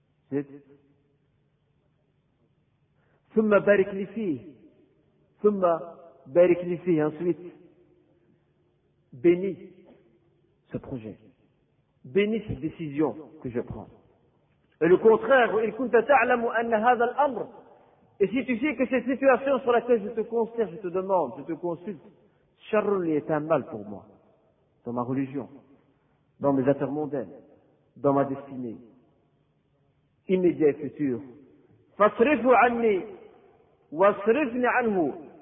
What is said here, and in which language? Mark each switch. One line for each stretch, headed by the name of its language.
French: C'est...
Arabic: ثم بارك لي فيه
French: ثم بارك لي فيه ensuite bénis ce projet, bénis cette décision que je prends. Et le contraire, il
Arabic: كنت تعلم ان هذا الامر,
French: et si tu sais que cette situation sur laquelle je te conseille, je te demande, je te consulte,
Arabic: شر لي,
French: est un mal pour moi dans ma religion, dans mes affaires mondaines, dans ma destinée immédiate et future.
Arabic: فصرف عني وَصْرِفْنِ عَنْهُ,